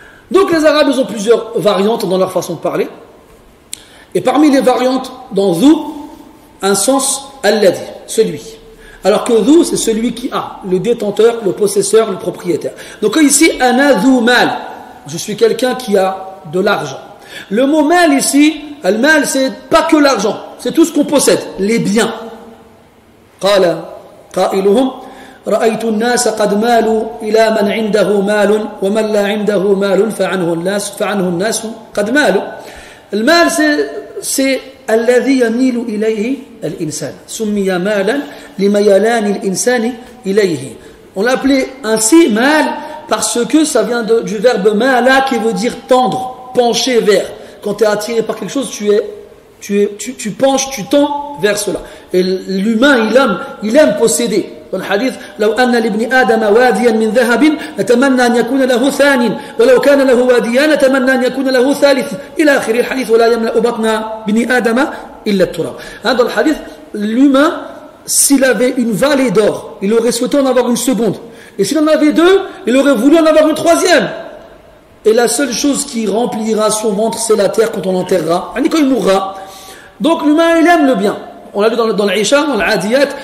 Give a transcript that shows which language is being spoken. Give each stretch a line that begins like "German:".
French: Donc les arabes ils ont plusieurs variantes dans leur façon de parler. Et parmi les variantes dans ذو, un sens alladhi, celui. Alors que ذو c'est celui qui a, le détenteur, le possesseur, le propriétaire. Donc ici
Arabic: ana ذو mal,
French: je suis quelqu'un qui a de l'argent. Le mot mal ici, al-mal, c'est pas que l'argent, c'est tout ce qu'on possède, les biens.
Arabic: قال قائلهم رأيت الناس قد مالوا إلى من عنده مال ومن لا عنده مال فعنه الناس قد مالوا. المال
French: c'est
Arabic: الذي يميل إليه الإنسان. سمي مالا لميلان الإنسان إليه.
French: On l'appelait ainsi mal parce que ça vient du verbe mala qui veut dire tendre. Pencher vers. Quand tu es attiré par quelque chose, tu penches, tu tends vers cela. Et l'humain, il aime posséder. Dans le hadith,
Arabic: لو أن لابن آدم واديا من ذهب نتمنى أن يكون له ثان ولو كان له واديا نتمنى أن يكون له ثالث إلى آخر الحديث ولا يملأ بطن ابن آدم إلا التراب.
French: Dans le hadith, l'humain, s'il avait une vallée d'or, il aurait souhaité en avoir une seconde. Et s'il en avait deux, il aurait voulu en avoir une troisième. Et la seule chose qui remplira son ventre, c'est la terre quand on l'enterrera. Et quand il mourra. Donc l'humain, il aime le bien. On l'a vu dans l'Aisha, dans l'Adiyat.